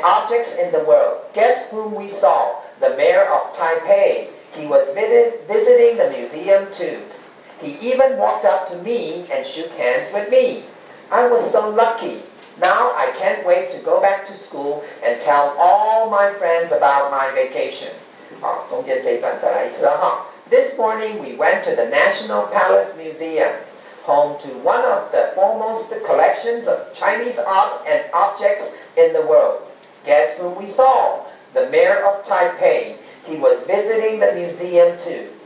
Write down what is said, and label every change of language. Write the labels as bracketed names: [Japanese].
[English] objects in the world. Guess whom we saw? The mayor of Taipei. He was visiting the museum too. He even walked up to me and shook hands with me. I was so lucky. Now I can't wait to go back to school and tell all my friends about my vacation. [Chinese] 好，中间这一段再来一次了哈。 [English] This morning we went to the National Palace Museum, home to one of the foremost collections of Chinese art and objects in the world. Guess who we saw? The mayor of Taipei. He was visiting the museum too.